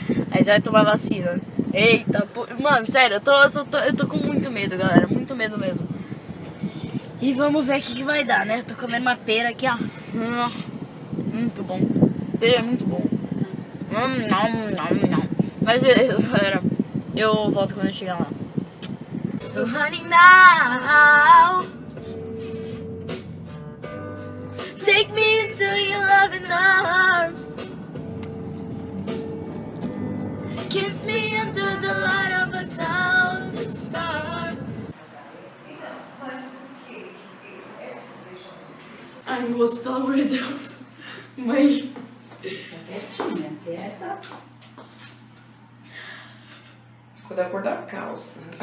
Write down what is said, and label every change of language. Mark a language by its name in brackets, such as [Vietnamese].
[Portuguese] Aí você vai tomar vacina. Eita porra. Mano, sério, eu tô com muito medo, galera. Medo mesmo. E vamos ver o que vai dar, né? Tô comendo uma pera aqui, ó. Muito bom. Pera é muito bom. Não. Mas galera, eu volto quando eu chegar lá. [English] So honey now, take me into your loving arms. Kiss me under the light of a thousand stars. [Portuguese] Ai, moço, pelo amor de Deus. Mãe. Tá quietinha, quieta. Ficou da cor da calça.